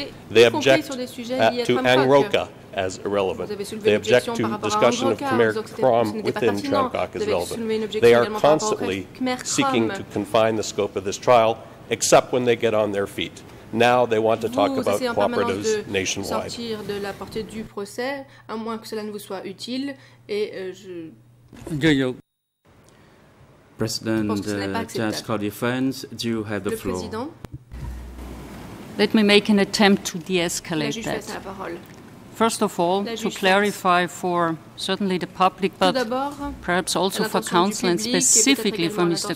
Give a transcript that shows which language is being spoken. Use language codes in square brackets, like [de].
[en] They object to Angroka as irrelevant. They object to discussion of Khmer Krom within Tramcock as relevant. They are constantly seeking to confine the scope of this trial, except when they get on their feet. Now they want to talk about cooperatives nationwide. [fr] Vous essayez en permanence de sortir de la portée du procès, à moins que cela ne vous soit utile. Et je. [en] President, Tramcock Defense, do you have the floor? [fr] Le président. [en] Let me make an attempt to de-escalate that. [fr] La juge a la parole. [en] First of all, to clarify for certainly the public, but perhaps also for counsel and specifically for Mr.